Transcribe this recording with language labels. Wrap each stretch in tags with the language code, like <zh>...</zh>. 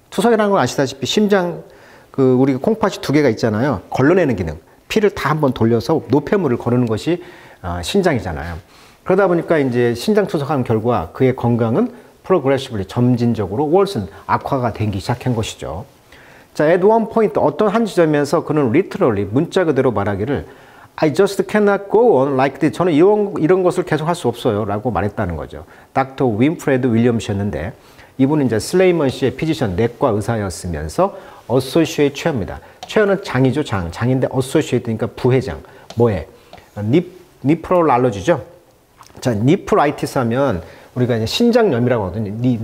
<ko>투석이라는 건 아시다시피 심장 그 우리 콩팥이 두 개가 있잖아요. 걸러내는 기능. 피를 다 한번 돌려서 노폐물을 거르는 것이 신장이잖아요. 그러다 보니까 이제 신장 투석한 결과 그의 건강은 progressively 점진적으로 worsen 악화가 되기 시작한 것이죠.</ko> <en>자, at one point</en> <ko>어떤 한 지점에서 그는</ko> <en>literally</en> <ko>문자 그대로 말하기를</ko> <en>I just cannot go on like this.</en> <ko>저는 이런 것을 계속 할 수 없어요라고 말했다는 거죠. 닥터 윈프레드 윌리엄스였는데 이분은 이제 슬레이먼 씨의 피지션 내과 의사였으면서 어소시에이트 최어입니다. 최어는 장이죠, 장. 장인데 어소시에이트니까 부회장. 뭐에? 니프롤 알러지죠? 자, 니프라이티스 하면 우리가 이제 신장염이라고 하거든요.</ko>